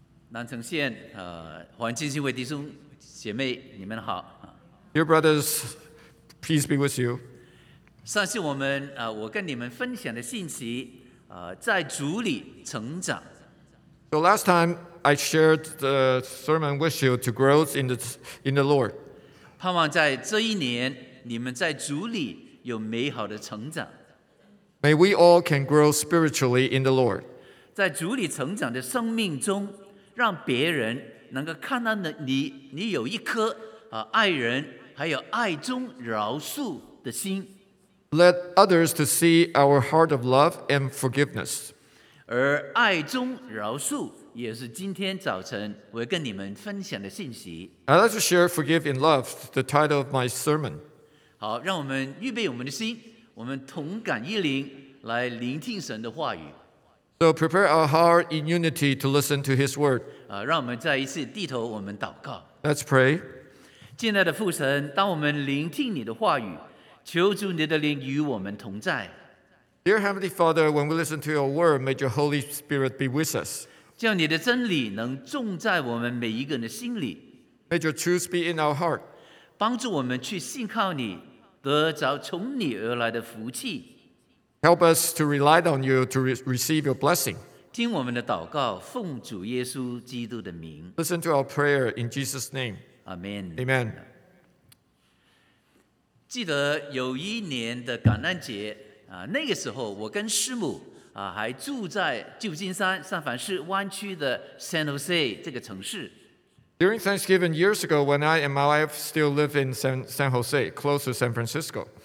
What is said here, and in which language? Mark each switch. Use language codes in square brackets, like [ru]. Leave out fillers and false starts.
[zh] 南城县华人浸信会弟兄姐妹，你们好。 [en] Dear brothers, peace be with you. [zh] 上次我跟你们分享的信息，在主里成长。 [en] So last time I shared the sermon with you to grow in the Lord. [zh] 盼望在这一年，你们在主里有美好的成长。 [en] May we all can grow spiritually in the Lord. [zh] 在主里成长的生命中，让别人能够看到你，你有一颗爱人还有爱中饶恕的心。 [en] Let others to see our heart of love and forgiveness. [zh] 而爱中饶恕也是今天早晨我跟你们分享的信息。 [en] I'd like to share forgive in love, the title of my sermon. [zh] 好，让我们预备我们的心，我们同感一灵来聆听神的话语。 [en] So prepare our heart in unity to listen to His word. [zh] 让我们再一次低头，我们祷告。 [en] Let's pray. [zh] 亲爱的父神，当我们聆听你的话语，求主你的灵与我们同在。 [en] Dear Heavenly Father, when we listen to Your word, may Your Holy Spirit be with us. [zh] 叫你的真理能种在我们每一个人的心里。 [en] May Your truth be in our heart. [zh] 帮助我们去信靠你，得着从你而来的福气。 [en] Help us to rely on you to receive your blessing. [zh] 听我们的祷告，奉主耶稣基督的名。 [en] Listen to our prayer in Jesus' name. Amen. Amen. [zh] 记得有一年的感恩节，那个时候我跟师母，还住在旧金山三藩市湾区的 San Jose 这个城市。 [en] During Thanksgiving years ago, when I and my wife still live in San Jose, close to San Francisco.